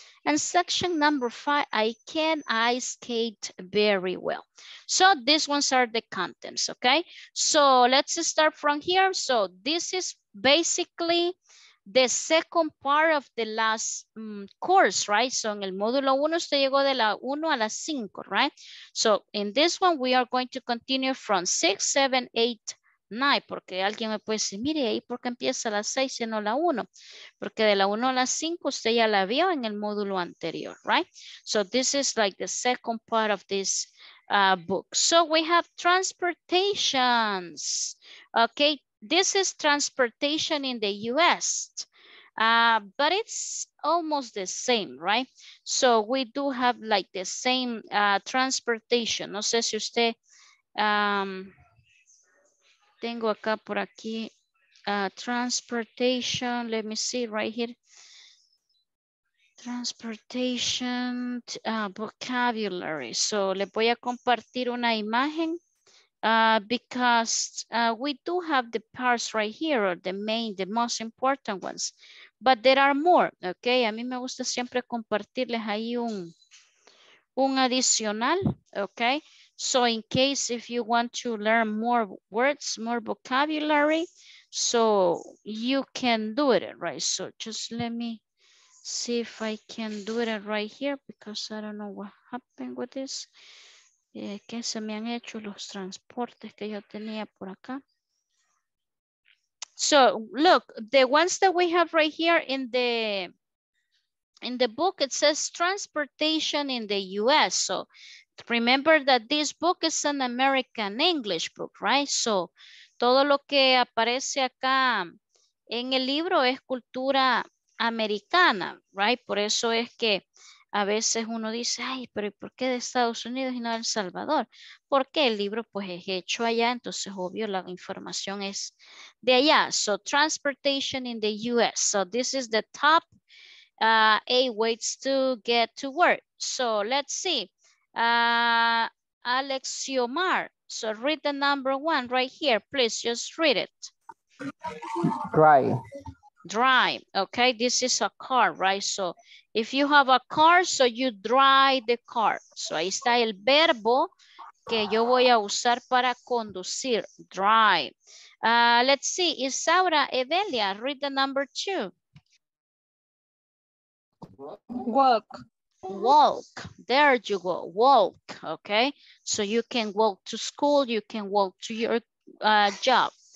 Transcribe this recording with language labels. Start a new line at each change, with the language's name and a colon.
English: And section number five, I can ice skate very well. So these ones are the contents, okay? So let's start from here. So this is basically the second part of the last course, right? So in
Spanish: el módulo 1, usted llegó de la 1 a la 5, right?
English: So in this one, we are going to continue from 6, 7, 8, 9.
Spanish: Porque alguien me puede decir, mire, ahí porque empieza la 6 y no la 1. Porque de la 1 a la 5, usted ya la vio en el módulo anterior, right?
English: So this is like the second part of this book. So we have transportations, okay? This is transportation in the US, but it's almost the same, right? So we do have like the same transportation.
Spanish: No sé si usted, tengo acá por aquí, transportation,
English: let me see right here. Transportation vocabulary.
Spanish: So le voy a compartir una imagen.
English: Because we do have the parts right here, or the main, the most important ones, but there are more, okay?
Spanish: A mí me gusta siempre compartirles ahí un adicional, okay?
English: So in case if you want to learn more words, more vocabulary, so you can do it, right? So just let me see if I can do it right here because I don't know what happened with this.
Spanish: ¿Qué se me han hecho los transportes que yo tenía por acá?
English: So look, the ones that we have right here in the book, it says transportation in the US. So remember that this book is an American English book, right? So
Spanish: todo lo que aparece acá en el libro es cultura americana, right? Por eso es que a veces uno dice, ay, pero ¿por qué de Estados Unidos y no de El Salvador? Porque el libro pues es hecho allá, entonces obvio la información es de allá.
English: So transportation in the US. So this is the top 8 ways to get to work. So let's see. Alex Xiomar, so read the number one right here. Please just read it. Drive. Drive, okay, this is a car, right? So if you have a car, so you drive the car.
Spanish: So ahí está el verbo que yo voy a usar para conducir, drive.
English: Let's see, Isaura Evelia, read the number two. Walk. Walk, there you go, walk, okay? So you can walk to school, you can walk to your job.